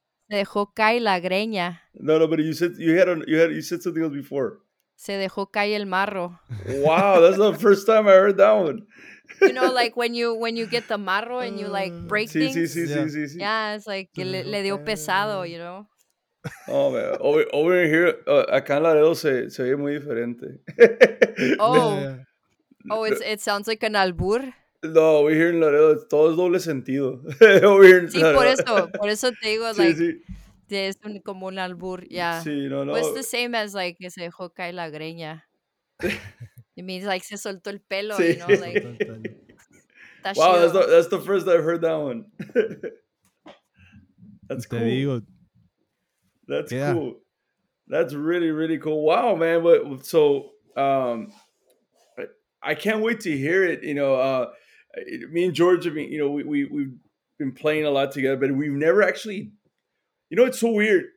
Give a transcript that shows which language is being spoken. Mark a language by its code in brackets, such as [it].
[es] Se dejó caer la greña. [en] No, no, but you said you said something else before. [es] Se dejó caer el marro. [en] Wow, that's the first time I heard that one. You know, like when you get the marro and you like break things. [es] Sí. [en] Yeah, it's like [es] le dio pesado, [en] you know. Oh man, over here, [es] acá en Laredo se oye muy diferente. [en] Oh, yeah. Oh, it sounds like an albur. No, over here in Laredo, [es] todo es doble sentido. [en] Over here in [es] sí, [en] Laredo. [es] por eso te digo, sí, like, sí. Es como un albur, yeah. Sí, no, no. [en] It's the same as like [es] que se dejó caer la greña. [en] It means like [es] se soltó el pelo, sí. [en] You know, like. Wow, that's the first I've heard that one. That's cool. [es] Te digo. [en] That's yeah. Cool. That's really, really cool. Wow, man. But so I can't wait to hear it. You know, me and George, I mean, you know, we've been playing a lot together, but we've never actually, you know, it's so weird.